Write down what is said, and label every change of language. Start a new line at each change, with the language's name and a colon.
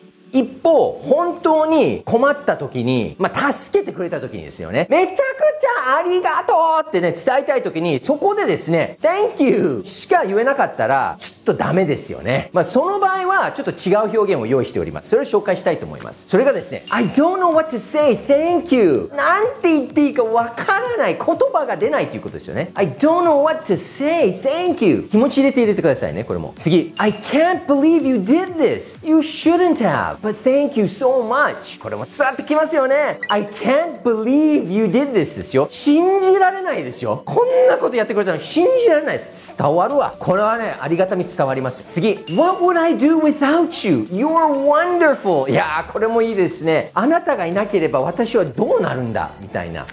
Japanese: 一方、本当に困った時に、まあ、助けてくれた時にですよね、めちゃくちゃありがとうってね、伝えたい時に、そこでですね、
English: Thank you
Japanese: しか言えなかったら、ちょっとダメですよね。まあ、その場合は、ちょっと違う表現を用意しております。それを紹介したいと思います。
English: それがですね、I don't know what to say, thank you.
Japanese: なんて言っていいかわからない。言葉が出ないということですよね。
English: I don't know what to say, thank you.
Japanese: 気持ち入れて入れてくださいね、これも。次。
English: I can't believe you did this. You shouldn't have. But thank you so much.
Japanese: これも伝わってきますよね。
English: I can't believe you did this ですよ。
Japanese: 信じられないですよ。こんなことやってくれたの信じられないです。伝わるわ。これはね、ありがたみ伝わります。次。
English: What would I do without without you. You're wonderful.
Japanese: いやー、これもいいですね。あなたがいなければ私はどうなるんだみたいな。